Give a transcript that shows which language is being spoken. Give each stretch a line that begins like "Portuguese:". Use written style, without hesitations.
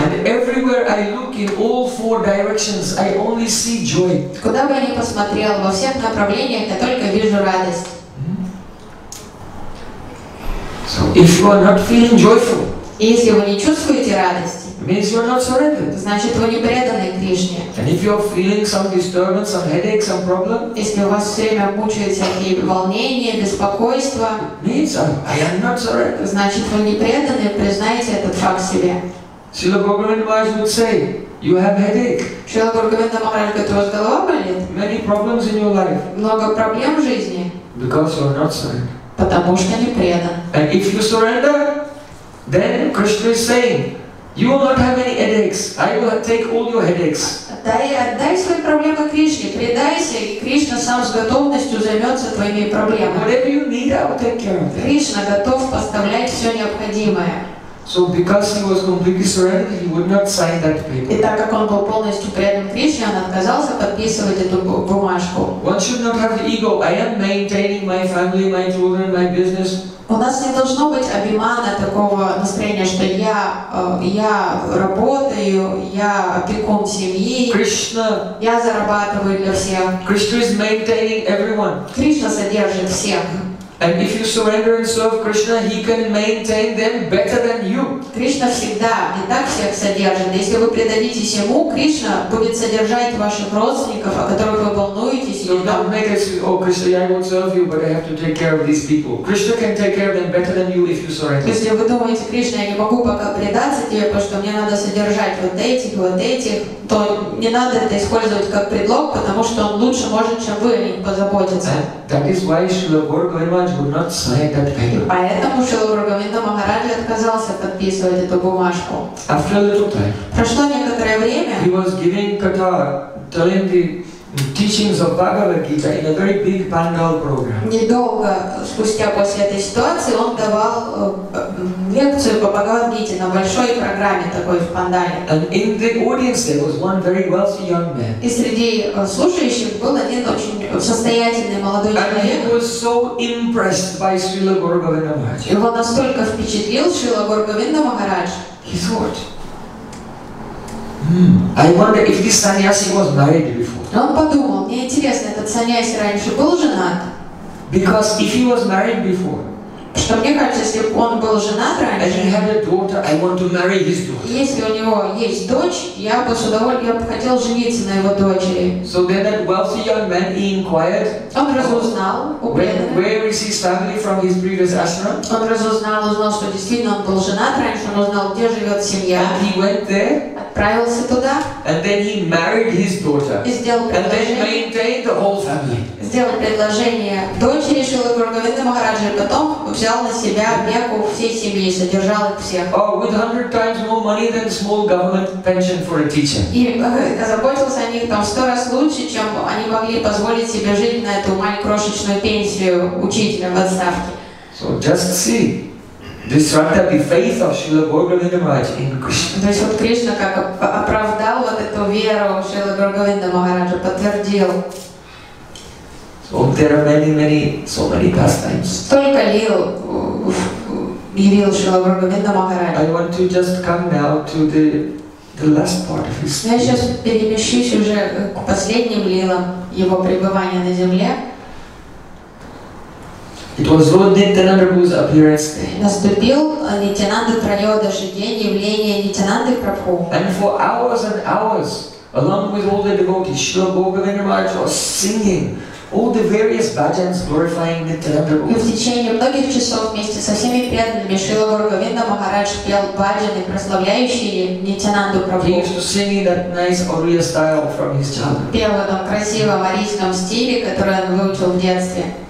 English: And everywhere I look in all four directions, I only see joy.
Russian: Куда бы я ни посмотрел, во всех направлениях я только вижу радость.
English: So if you are not feeling joyful,
Russian: если вы не чувствуете радости,
English: means you are not surrendered.
Russian: Значит, вы не преданы Кришне.
English: And if you are feeling some disturbance, some headache, some problem,
Russian: если у вас все время мучают всякие волнения, беспокойства,
English: means I am not surrendered.
Russian: Значит, вы не преданы, признайте этот факт себе.
English: Srila Gaura Govinda would say, you have headache.
Russian: Srila Gaura Govinda Maharaj, у вас голова болит?
English: Many problems in your life.
Russian: Много проблем в жизни.
English: Because you are not surrendered.
Russian: Потому что не предан.
English: And if you surrender, then Krishna is saying, you will not have any headaches. I will take all your headaches.
Russian: Отдай свои проблемы Кришне, предайся, и Кришна сам с готовностью займется твоими проблемами.
English: Whatever you need, I will take care of.
Russian: Кришна готов поставлять все необходимое.
English: So because he was completely surrendered, he would not sign that paper.
Russian: И так как он был полностью предан Кришне, он отказался подписывать эту бумажку.
English: One should not have the ego. I am maintaining my family, my children, my business.
Russian: У нас не должно быть обимана такого настроения, что я работаю, я опекун семьи,
English: Krishna.
Russian: Я зарабатываю для всех.
English: Krishna is maintaining everyone.
Russian: Кришна содержит всех.
English: And if you surrender and serve Krishna, he can maintain them better than you.
Russian: Кришна всегда и так всех содержит. Если вы предадитесь ему, Кришна будет содержать ваших родственников, о которых вы волнуетесь.
English: So don't make us, oh Krishna, I won't serve you, but I have to take care of these people. Krishna can take care of them better than you if you surrender.
Russian: Если вы думаете, Кришна, я не могу пока предаться тебе, потому что мне надо содержать вот этих, то не надо это использовать как предлог, потому что он лучше может, чем вы, о них позаботиться.
English: That is why Srila Gaura would not sign that paper.
Russian: Поэтому Шрила Гаура Махараджа отказался подписывать эту бумажку.
English: After a little time,
Russian: прошло некоторое время.
English: He was giving katha, telling the teachings of Bhagavad Gita in a very big Bengal program.
Russian: Недолго спустя после этой ситуации он давал лекцию по Бхагавад Гите на большой программе такой в Пандале.
English: And in the audience there was one very wealthy young man.
Russian: И среди слушающих был один очень состоятельный молодой человек.
English: And he was so impressed by Srila Gaura Govinda Maharaja.
Russian: Его настолько впечатлил Шрила Гаура Говинда Махарадж.
English: He thought, I wonder if this sannyasi was married before.
Russian: Он подумал, мне интересно, этот саньяси раньше был женат?
English: Because if he was married before,
Russian: что мне кажется, если он был женат раньше,
English: and he had a daughter, I want to marry his daughter.
Russian: Если у него есть дочь, я бы хотел жениться на его дочери.
English: So then that wealthy young man, he inquired.
Russian: Он разузнал,
English: where is his family from his previous ashram?
Russian: Он разузнал, что действительно он был женат раньше, он узнал, где живет семья.
English: And he went there.
Russian: Отправился туда.
English: And then he married his daughter.
Russian: И сделал предложение.
English: And then maintained the whole family.
Russian: Сделал предложение дочери Шрилы Гаура Говинда Махараджи, потом взял на себя опеку всей семьи, содержал их всех.
English: Oh, with 100 times more money than small government pension for a teacher.
Russian: И заботился о них там 100 раз лучше, чем они могли позволить себе жить на эту маленькую крошечную пенсию учителя в отставке.
English: So just see. Disrupted the faith of Srila Gaura Govinda Maharaja in Krishna.
Russian: То есть вот Кришна как оправдал вот эту веру Шрилы Гаура Говинда Махараджа, подтвердил.
English: So there are so many pastimes.
Russian: Столько лил явил Шрила Гаура Говинда Махараджа.
English: I want to just come now to the last part of his.
Russian: Я сейчас перемещусь уже к последним лилам его пребывания на земле.
English: It was Lord Nityananda Prabhu's appearance day.
Russian: Наступил Нитянанда Прайодаши, день явления Нитянанды Прабху.
English: And for hours and hours, along with all the devotees, Srila Gaura Govinda Maharaja was singing all the various bhajans glorifying Nityananda Prabhu.
Russian: И в течение многих часов вместе со всеми преданными Шрила Гаура Говинда Махарадж пел бхаджаны, прославляющие Нитянанду Прабху.
English: He used to sing in that nice Oriya style from his childhood.
Russian: Пел в этом красивом арийском стиле, который он выучил в детстве.